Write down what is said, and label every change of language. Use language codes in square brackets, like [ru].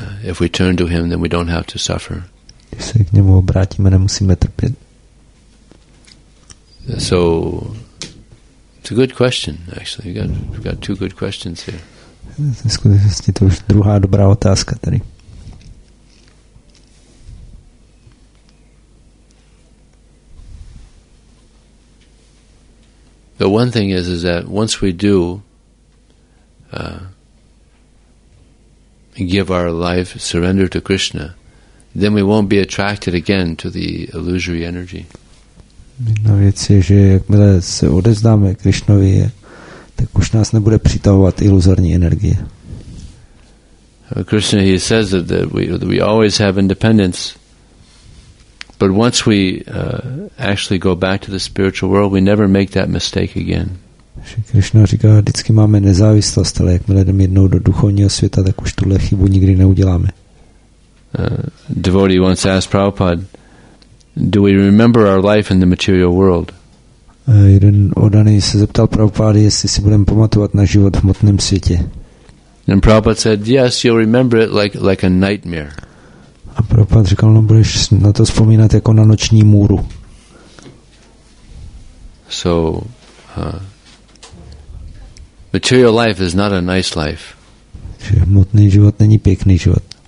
[en] If we turn to him, then we don't have to suffer. [cs] Když se k němu obrátíme, nemusíme trpět. [en] So it's a good question, actually. We've got two good questions here. [cs] Ve skutečnosti to už druhá dobrá otázka tady. [en] The one thing is that once we do give our life, surrender to Krishna, then we won't be attracted again to the illusory energy. [cs] Jedna věc je, že jakmile se odevzdáme Krišnovi, tak už nás nebude přitahovat iluzorní energie. [en] Krishna, he says that we always have independence. But once we actually go back to the spiritual world, we never make that mistake again. [cs] Krishna říká, vždycky máme nezávislost, ale jakmile jdeme jednou do duchovního světa, tak už tuhle chybu nikdy neuděláme. [en] Devotee once asked Prabhupada, do we remember our life in the material world? [cs] Jeden oddaný se zeptal Prabhupada, jestli si budeme pamatovat na život v hmotném světě. [en] And Prabhupada said, yes, you'll remember it like a nightmare. [cs] A Prabhupada říkal, no budeš na to vzpomínat jako na noční můru. [en] So, material life is not a nice life. [cs] Že hmotný život není pěkný život.